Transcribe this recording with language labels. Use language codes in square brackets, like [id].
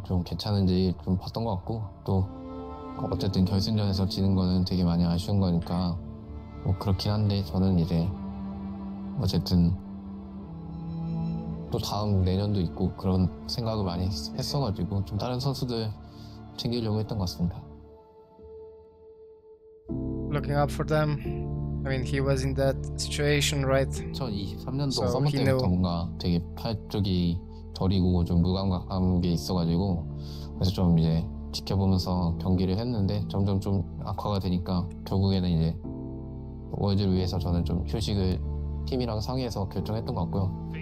[ko] 좀 괜찮은지 좀 봤던 것 같고 또 어쨌든 결승전에서 지는 거는 되게 많이 아쉬운 거니까 뭐 그렇긴 한데 저는 이제 어쨌든 또 다음 내년도 있고 그런 생각을 많이 했어가지고 좀 다른 선수들 챙기려고 했던 것 같습니다. [en] Looking up for them. I mean, he was in that situation, right? [ko] 2023년도 서머 때부터 뭔가 되게 팔 쪽이 저리고 좀 무감각한 게 있어가지고 그래서 좀 이제 지켜보면서 경기를 했는데 점점 좀 악화가 되니까 결국에는 이제 월드를 위해서 저는 좀 휴식을 팀이랑 상의해서 결정했던 것 같고요.